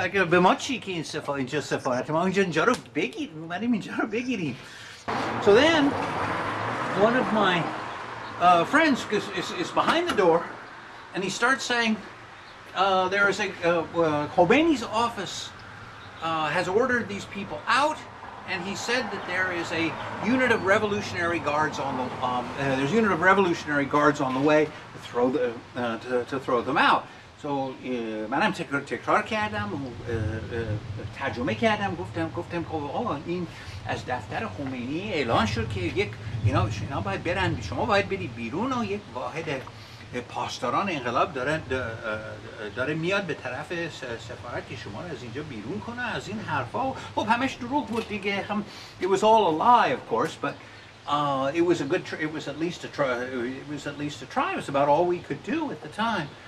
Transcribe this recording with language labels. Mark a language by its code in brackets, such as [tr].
[fa] به ما چی که اینجا سفارته؟ ما اینجا رو بگیریم. اومدیم اینجا رو بگیریم. [en] So then, one of my friends is behind the door, and he starts saying, there is a, Khomeini's office has ordered these people out. And he said that there is a unit of revolutionary guards on the there's a unit of revolutionary guards on the way to throw to throw them out. So [fa] منم تکرار کردم و ترجمه کردم گفتم که این از دفتر خمینی اعلان شد که یک اینا باید برن، شما باید برید بیرون و یک واحد پاسداران انقلاب داره میاد به طرف سفارت که شما رو از اینجا بیرون کنه. از این حرفا خب همش دروغ بود دیگه. هم [en] it was all a lie of course, but it was at least a try. It was about all we could do at the time.